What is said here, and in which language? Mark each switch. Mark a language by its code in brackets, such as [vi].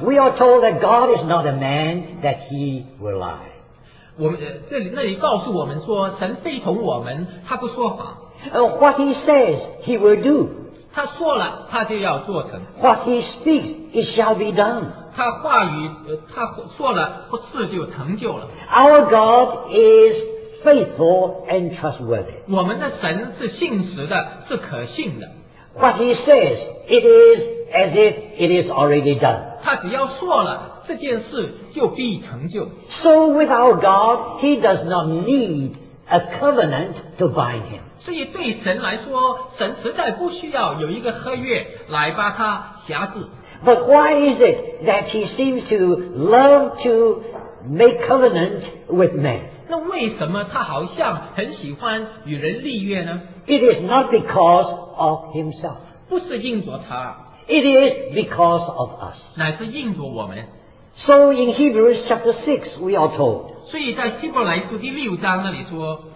[en] we are told that God is not a man that he will lie. [zh] 我们那里告诉我们说，神非同我们，他不说谎。 [en] What he says, he will do. [zh] 他说了他就要做成。 [en] What he speaks, it shall be done. [zh] 他话语他说了事就成就了。 [en] Our God is faithful and trustworthy. [zh] 我们的神是信实的是可信的。 [en] What he says, it is as if it is already done. [zh] 他只要说了这件事就必成就。 [en] So with our God, he does not need a covenant to bind him. [zh] 所以对神来说，神实在不需要有一个合约来把他辖制。 [en] But why is it that he seems to love to make covenant with men? [zh] 那为什么他好像很喜欢与人立约呢？ [en] It is not because of himself. [zh] 不是因着他。 [en] It is because of us. [zh] 乃是因着我们。 [en] So in Hebrews chapter 6, we are told. [zh] 所以在希伯来书第六章那里说